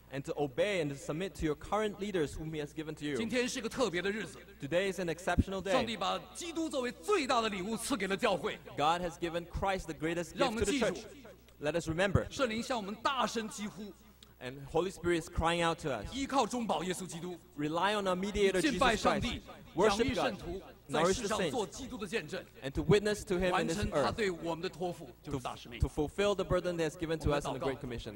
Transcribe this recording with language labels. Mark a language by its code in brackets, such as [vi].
[en] And to obey and to submit to your current leaders whom he has given to you. [zh] 今天是个特别的日子。 [en] Today is an exceptional day. [zh] 上帝把基督作为最大的礼物赐给了教会。 [en] God has given Christ the greatest gift to the church. Let us remember. [zh] 圣灵向我们大声疾呼。 [en] And Holy Spirit is crying out to us. [zh] 依靠中保耶稣基督。 [en] Rely on our mediator Jesus Christ. [zh] 敬拜上帝，仰望圣徒。 [en] nourish the saints, and to witness to him in this earth, to fulfill the burden that is given to us in the Great Commission.